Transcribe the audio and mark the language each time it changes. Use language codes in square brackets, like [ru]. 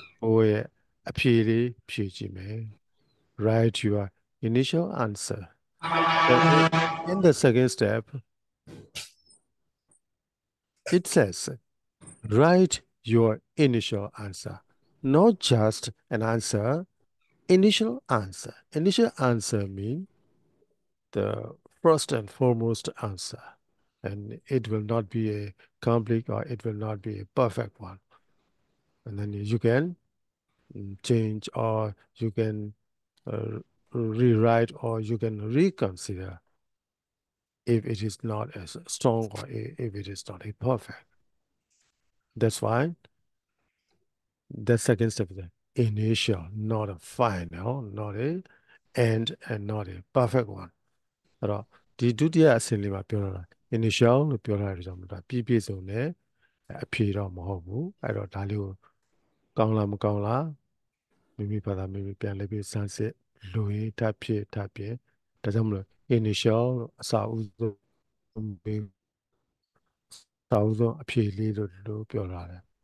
[my] ဟိုရဲ့အဖြေလေးဖြေကြည့်မယ် [en] write your initial answer in the second step it says write your initial answer not just an answer Initial answer. Initial answer means the first and foremost answer. And it will not be a complete or it will not be a perfect one. And then you can change or you can rewrite or you can reconsider if it is not as strong or if it is not a perfect. That's why the second step is that. Initial, not a final, not a end, and not a perfect one. [my] ဒီဒုတိယအဆင့်လေးမှာပြောရတာ initial လို့ပြောတာရကြောင်မလားပြည့်ပြည့်စုံတဲ့အဖြေတော့မဟုတ်ဘူးအဲ့တော့ဒါလေးကိုကောင်းလားမကောင်းလားမိမိဘာသာမိမိပြန်လေးပြန်စမ်းစစ်လူရေးတဖြစ်တဖြစ်ဒါကြောင့်မလို့ initial လို့အစအဦးဆုံးဘေးအစအဦးဆုံးအဖြေလေးလို့လို့ပြောလာတယ်